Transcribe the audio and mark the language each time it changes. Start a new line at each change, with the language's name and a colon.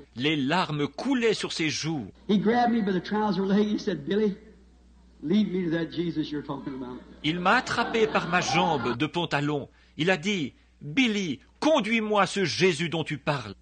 French: Les larmes coulaient sur ses joues.
English: He grabbed me by the trouser leg. He said, Billy, lead me to that Jesus you're talking about.
French: Il m'a attrapé par ma jambe de pantalon. Il a dit, Billy, conduis-moi à ce Jésus dont tu parles.